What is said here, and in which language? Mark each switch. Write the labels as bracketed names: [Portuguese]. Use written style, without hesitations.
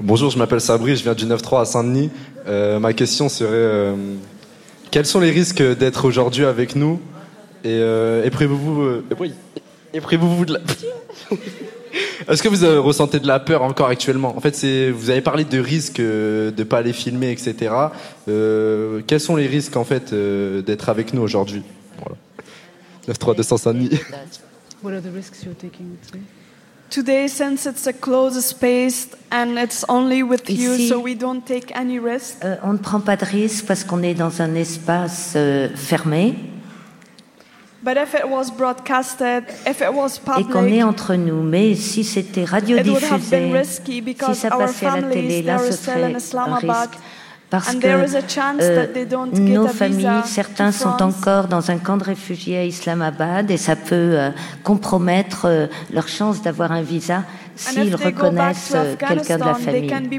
[French] Bonjour, je m'appelle Sabri, je viens du 9-3 à Saint-Denis. Ma question serait, quels sont les risques d'être aujourd'hui avec nous est-ce que vous ressentez de la peur encore actuellement? En fait, vous avez parlé de risques de ne pas aller filmer, etc. Quels sont les risques, en fait, d'être avec nous aujourd'hui? Voilà. 9-3 de Saint-Denis. [English] What are the risks you're taking today? Today, since it's a closed space and it's only with [French] ici, [English] you, so we don't take any risk. [French] On ne prend pas de risque parce qu'on est dans un espace fermé. [English] But if it was broadcasted, if it was public, [French] et qu'on est entre nous, mais si c'était radiodiffusé, si ça passait à la télé, là ce serait un risque. Parce que nos familles, certains sont encore dans un camp de réfugiés à Islamabad et ça peut compromettre leur chance d'avoir un visa s'ils reconnaissent quelqu'un de la famille.